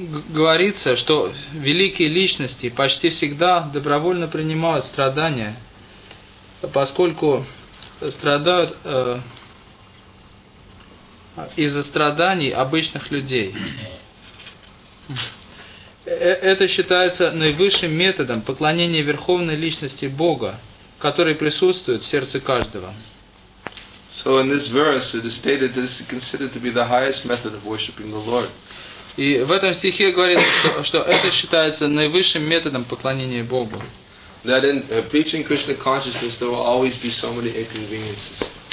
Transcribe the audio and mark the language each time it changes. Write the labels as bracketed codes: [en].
[ru] говорится, что великие личности почти всегда добровольно принимают страдания, поскольку страдают из-за страданий обычных людей. Это считается наивысшим методом поклонения Верховной Личности Бога, который присутствует в сердце каждого. [en] So in this verse it is stated that it is considered to be the highest method of worshiping the Lord. [ru] И в этом стихе говорится, что это считается наивысшим методом поклонения Богу. [en] That in preaching Krishna consciousness there will always be so many inconveniences.